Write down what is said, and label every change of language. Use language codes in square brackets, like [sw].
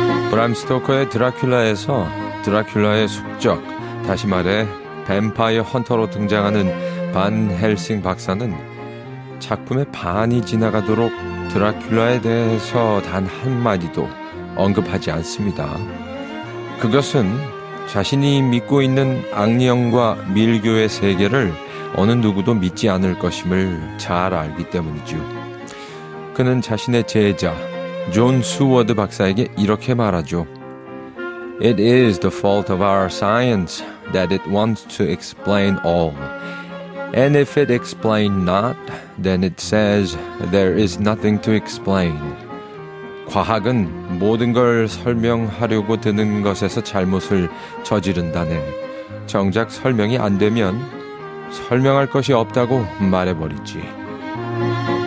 [ko] 브람 스토커의 드라큘라에서 드라큘라의 숙적, 다시 말해 뱀파이어 헌터로 등장하는 반 헬싱 박사는 작품의 반이 지나가도록 드라큘라에 대해서 단 한마디도 언급하지 않습니다. 그것은 자신이 믿고 있는 악령과 밀교의 세계를 어느 누구도 믿지 않을 것임을 잘 알기 때문이죠. 그는 자신의 제자 존 스워드 박사에게 이렇게 말하죠. [en] It is the fault of our science that it wants to explain all. And if it explain not, then it says there is nothing to explain. [ko] 과학은 모든 걸 설명하려고 드는 것에서 잘못을 저지른다네. 정작 설명이 안 되면 설명할 것이 없다고 말해버리지.